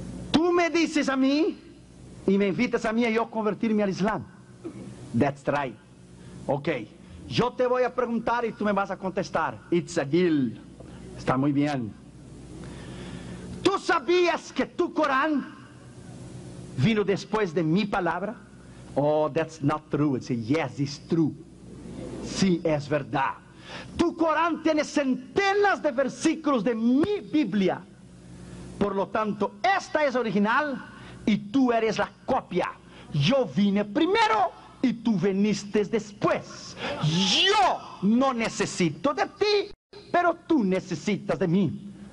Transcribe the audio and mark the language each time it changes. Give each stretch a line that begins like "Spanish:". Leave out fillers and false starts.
Spanish: Tú me dices a mí y me invitas a mí a yo convertirme al Islam.
English: That's right. Ok.
Spanish: Yo te voy a preguntar y tú me vas a contestar.
English: It's a deal.
Spanish: Está muy bien. ¿Tú sabías que tu Corán vino después de mi palabra?
English: Oh, that's not true. I say, yes, it's true.
Spanish: Sí, es verdad. Tu Corán tiene centenas de versículos de mi Biblia. Por lo tanto, esta es original y tú eres la copia. Yo vine primero y tú viniste después. Yo no necesito de ti, pero tú necesitas de mí.